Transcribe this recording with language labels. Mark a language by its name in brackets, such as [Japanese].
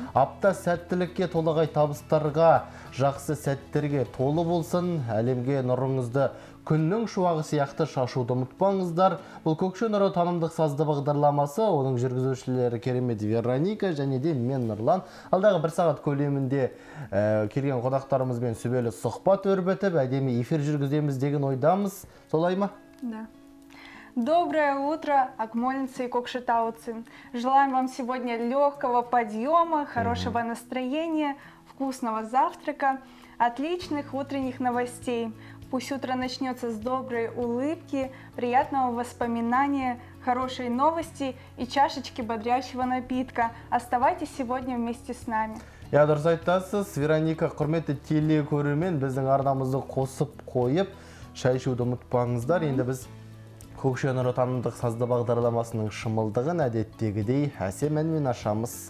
[Kazakh] Апта сәттілікке, толағай табыстарға, жақсы сәттерге толы болсын, әлемге нұрыңызды күннің шуағы сияқты шашуды ұмытпаңыздар. Бұл көкше нұры танымдық сазды бағдарламасы, оның жүргізушілері керемет Вероника және де мен Нұрлан. Алдағы бір сағат көлемінде келген қонақтарымызбен сүбелі сұхбат өрбітіп, әдемі эфир жүргіземіз деген ойдамыз. Солай ма? [Russian] Да. Доброе утро, акмолинцы и кокшетауцы. Желаем вам сегодня легкого подъема, хорошего настроения, вкусного завтрака, отличных утренних новостей. Пусть утро начнется с доброй улыбки, приятного воспоминания, хорошей новости и чашечки бодрящего напитка. Оставайтесь сегодня вместе с нами. [Kazakh] Я дұрыс айтасыз, Вероника, құрметті телекөрермен, біздің арнамызды қосып қойып, шай ішуді ұмытпаңыздар. Енді біз көкше нұры танымдық сазды бағдарламасының шымылдығын әдеттегідей әсем әнмен ашамыз.